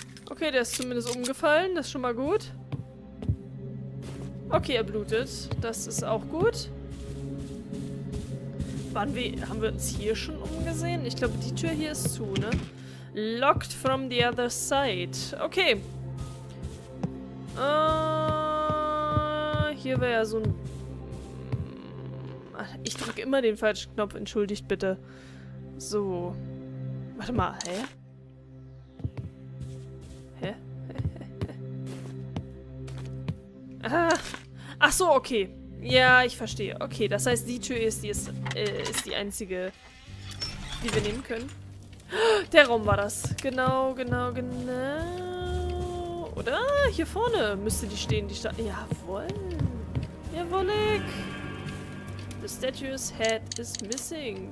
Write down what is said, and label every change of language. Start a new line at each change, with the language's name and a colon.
German: Okay, der ist zumindest umgefallen. Das ist schon mal gut. Okay, er blutet. Das ist auch gut. Haben wir uns hier schon umgesehen? Ich glaube, die Tür hier ist zu, ne?
English: Locked from the other side.
German: Okay. Hier wäre ja so ein... Ich drücke immer den falschen Knopf. Entschuldigt bitte. So. Warte mal. Hä? Ach so, okay. Ja, ich verstehe. Okay, das heißt, die Tür ist die einzige, die wir nehmen können. Der Raum war das. Genau, genau, genau. Oder? Hier vorne müsste die stehen, die Stadt. Jawohl. Jawollig.
English: The statue's head is missing.